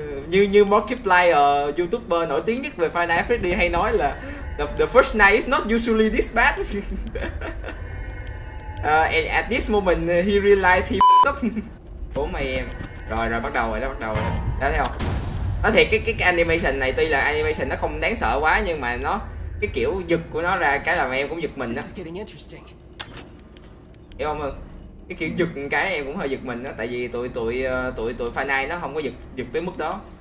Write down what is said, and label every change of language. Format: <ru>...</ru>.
<vi>như Markiplier, YouTuber nổi tiếng nhất về Final Fantasy hay nói là</vi> <en>the first night is not usually this bad. And at this moment he realized he f***ed up.</en> <vi>Ủa mày em. Rồi bắt đầu rồi. Đó thấy không? Nói thiệt cái animation này tuy là animation nó không đáng sợ quá nhưng mà nó cái kiểu giật của nó ra cái làm em cũng giật mình á. Hiểu không? Cái kiểu giật cái em cũng hơi giật mình á, tại vì tụi Final nó không có giật tới mức đó.</vi>